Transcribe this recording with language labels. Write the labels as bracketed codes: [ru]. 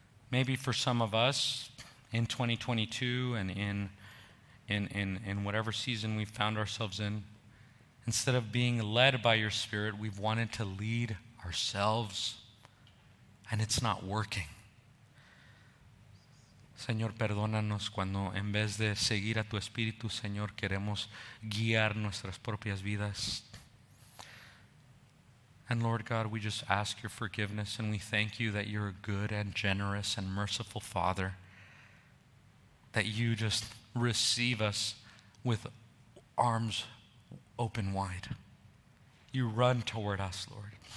[en] Maybe for some of us in 2022 and in whatever season we found ourselves in, instead of being led by your Spirit, we've wanted to lead ourselves, and it's not working. [es] Señor, perdónanos cuando en vez de seguir a tu Espíritu, Señor, queremos guiar nuestras propias vidas. [en] And Lord God, we just ask your forgiveness, and we thank you that you're a good and generous and merciful Father, that you just receive us with arms open wide. You run toward us, Lord.